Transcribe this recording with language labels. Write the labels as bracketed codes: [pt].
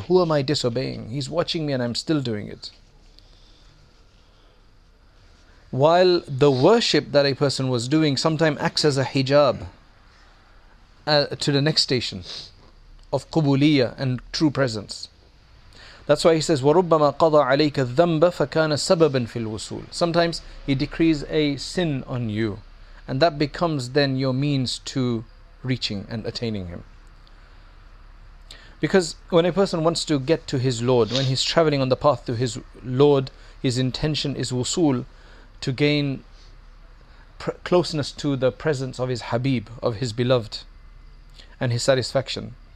[en] Who am I disobeying? He's watching me and I'm still doing it. While the worship that a person was doing sometimes acts as a hijab to the next station of qubuliyah and true presence. That's why he says, [ar] وَرُبَّمَا قَضَى عَلَيْكَ الذَّنْبَ فَكَانَ سَبَبًا فِي الْوُسُولِ. [en] Sometimes he decrees a sin on you, and that becomes then your means to reaching and attaining him. Because when a person wants to get to his Lord, when he's traveling on the path to his Lord, his intention is wusul, to gain closeness to the presence of his Habib, of his beloved, and his satisfaction.